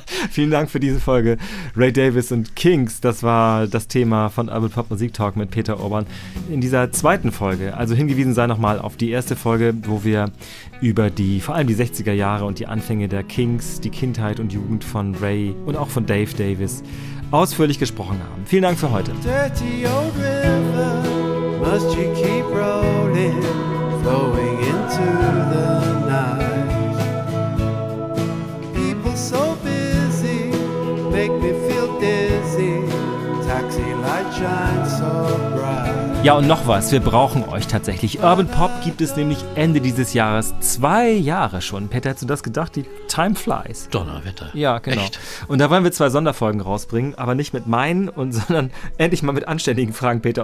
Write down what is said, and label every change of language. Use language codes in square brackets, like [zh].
[de] Vielen Dank für diese Folge. Ray Davis und Kings, das war das Thema von Urban Pop Musik Talk mit Peter Urban. In dieser zweiten Folge, also hingewiesen sei nochmal auf die erste Folge, wo wir über die, vor allem die 60er Jahre und die Anfänge der Kings, die Kindheit und Jugend von Ray und auch von Dave Davis ausführlich gesprochen haben. Vielen Dank für heute. [en] Dirty old river, must you keep rolling, flowing into the night. So busy, make me feel dizzy. Taxi light shines so bright. [de] Ja, und noch was, wir brauchen euch tatsächlich. Urban Pop gibt es nämlich Ende dieses Jahres. 2 Jahre schon. Peter, hättest du das gedacht? [en] Die Time Flies. [de] Donnerwetter. Ja, genau. Echt? Und da wollen wir 2 Sonderfolgen rausbringen, aber nicht mit meinen, sondern endlich mal mit anständigen Fragen, Peter.